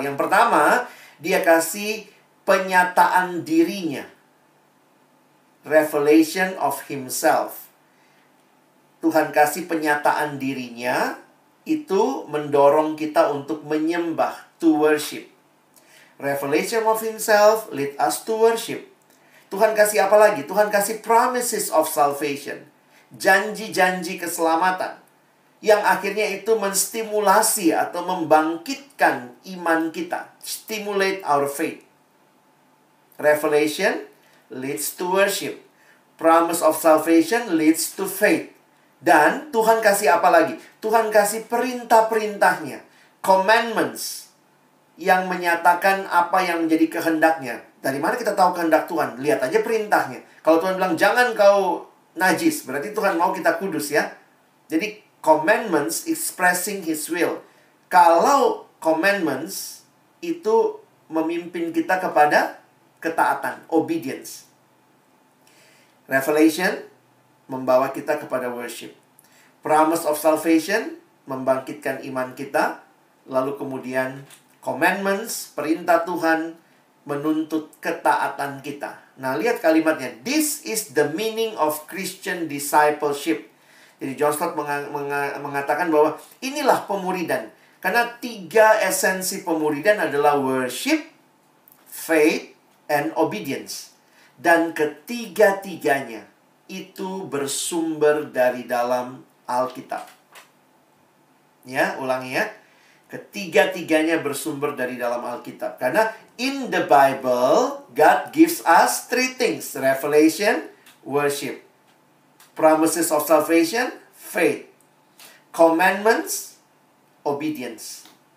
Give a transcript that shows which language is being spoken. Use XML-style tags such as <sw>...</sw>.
<id>Yang pertama, dia kasih penyataan dirinya,</id> <en>revelation of himself.</en> <id>Tuhan kasih penyataan dirinya, itu mendorong kita untuk menyembah,</id> <en>to worship. Revelation of himself lead us to worship.</en> <id>Tuhan kasih apa lagi? Tuhan kasih</id> <en>promises of salvation.</en> <id>Janji-janji keselamatan. Yang akhirnya itu menstimulasi atau membangkitkan iman kita.</id> <en>Stimulate our faith. Revelation leads to worship. Promise of salvation leads to faith.</en> <id>Dan Tuhan kasih apa lagi? Tuhan kasih perintah-perintahnya. Commandments. Yang menyatakan apa yang menjadi kehendaknya. Dari mana kita tahu kehendak Tuhan? Lihat aja perintahnya. Kalau Tuhan bilang, jangan kau najis, berarti Tuhan mau kita kudus ya. Jadi</id> <en>commandments expressing his will.</en> <id>Kalau commandments itu memimpin kita kepada ketaatan, obedience. Revelation membawa kita kepada worship.</id> <en>Promise of salvation</en> <id>membangkitkan iman kita. Lalu kemudian commandments, perintah Tuhan menuntut ketaatan kita. Nah, lihat kalimatnya.</id> <en>This is the meaning of Christian discipleship.</en> <id>Jadi John Stott mengatakan bahwa inilah pemuridan. Karena tiga esensi pemuridan adalah</id> <en>worship, faith, and obedience.</en> <id>Dan ketiga-tiganya itu bersumber dari dalam Alkitab. Ya, ulangi ya. Ketiga-tiganya bersumber dari dalam Alkitab. Karena</id> <en>in the Bible, God gives us three things. Revelation, worship. Promises of salvation, faith. Commandments, obedience.</en>